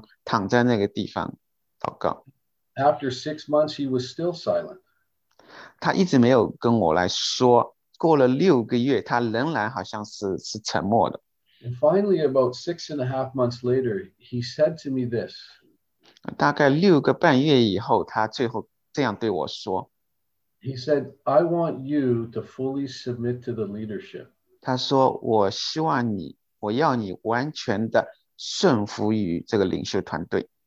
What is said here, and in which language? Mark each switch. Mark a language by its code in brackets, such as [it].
[zh] 我虽然不明白神要做什么，但是我意识到这个重要性，所以有好长时间我在那里好像躺在那个地方祷告。 [en] After 6 months, he was still silent. [zh] 他一直没有跟我来说，过了6个月，他仍然好像是沉默的。 [en] And finally, about 6.5 months later, he said to me this. [zh] 大概6个半月以后，他最后这样对我说。 [en] He said, I want you to fully submit to the leadership. [zh] 他说，我希望你，我要你完全的顺服于这个领袖团队。